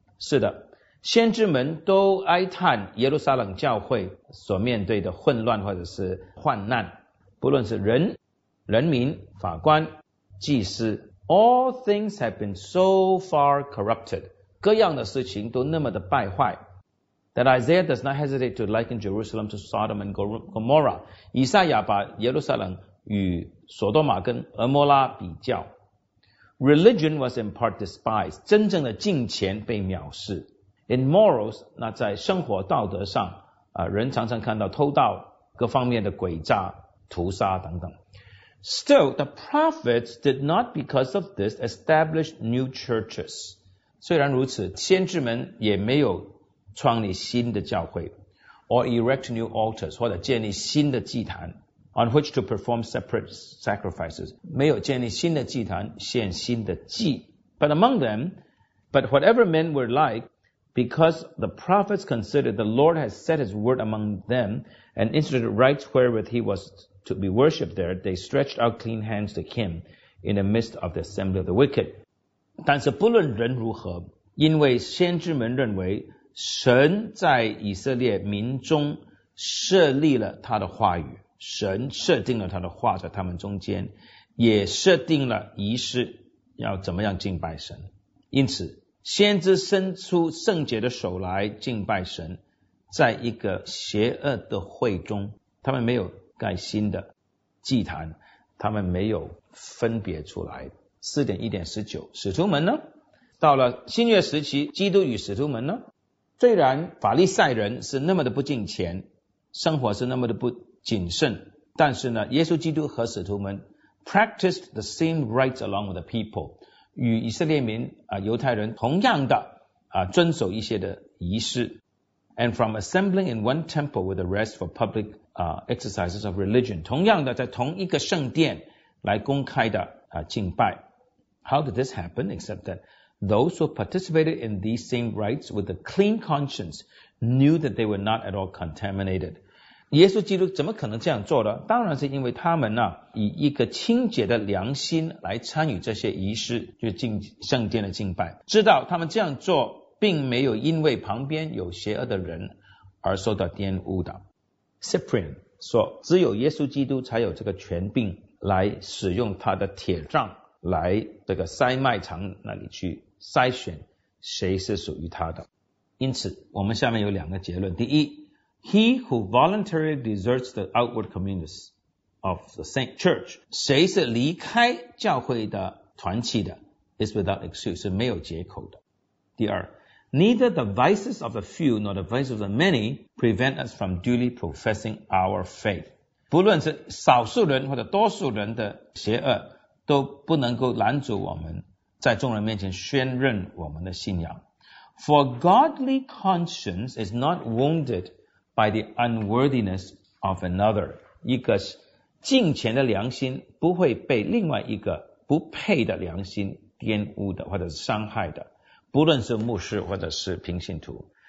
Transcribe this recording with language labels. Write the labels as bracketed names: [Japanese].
[Chinese] 是的，先知们都哀叹耶路撒冷教会所面对的混乱或者是患难，不论是人、人民、法官、祭司， [English] All things have been so far corrupted， [Chinese] 各样的事情都那么的败坏。 [English] That Isaiah does not hesitate to liken Jerusalem to Sodom and Gomorrah， [Chinese] 以赛亚把耶路撒冷与索多玛跟俄摩拉比较。 [English] Religion was in part despised， [Chinese] 真正的敬虔被藐视。 [English] In morals， [Chinese] 那在生活道德上，人常常看到偷盗、各方面的诡诈、屠杀等等。 [English] Still， the prophets did not because of this establish new churches。 [Chinese] 虽然如此，先知们也没有创立新的教会 ， [English] or erect new altars， [Chinese] 或者建立新的祭坛 ， [English] on which to perform separate sacrifices。 [Chinese] 没有建立新的祭坛，献新的祭。 [English] But among them， but whatever men were like。 Because the prophets considered the Lord has set his word among them and instituted rites wherewith he was to be worshipped there, they stretched out clean hands to him in the midst of the assembly of the wicked. [Chinese] 但是不论人如何，因为先知们认为神在以色列民中设立了他的话语，神设定了他的话在他们中间，也设定了仪式要怎么样敬拜神。因此先知伸出圣洁的手来敬拜神，在一个邪恶的会中，他们没有盖新的祭坛，他们没有分别出来。 4:1-19，使徒们呢？到了新约时期，基督与使徒们呢？虽然法利赛人是那么的不敬虔，生活是那么的不谨慎，但是呢，耶稣基督和使徒们 [English] practiced the same rites along with the people。 [Chinese] 与以色列民犹太人同样的遵守一些的仪式。 [English] And from assembling in one temple with the rest for public exercises of religion， [Chinese] 同样的在同一个圣殿来公开的敬拜。 [English] How did this happen? Except that those who participated in these same rites with a clean conscience knew that they were not at all contaminated。 [Chinese] 耶稣基督怎么可能这样做的？当然是因为他们以一个清洁的良心来参与这些仪式，就敬圣殿的敬拜，知道他们这样做并没有因为旁边有邪恶的人而受到玷污的。 Cyprian 说，只有耶稣基督才有这个权柄来使用他的铁杖来这个筛麦场那里去筛选谁是属于他的。因此我们下面有两个结论。第一， [English] He who voluntarily deserts the outward communitys of the same church， [Chinese] 谁是离开教会的团契的， [English] is without excuse， [Chinese] 是没有借口的。第二， [English] Neither the vices of the few nor the vices of the many prevent us from duly professing our faith， [Chinese] 不论是少数人或者多数人的邪恶都不能够拦阻我们在众人面前宣认我们的信仰。 [English] For godly conscience is not wounded by the unworthiness of another， [Chinese] 一个敬虔的良心不会被另外一个不配的良心玷污的或者是伤害的，不论是牧师或者是平信徒。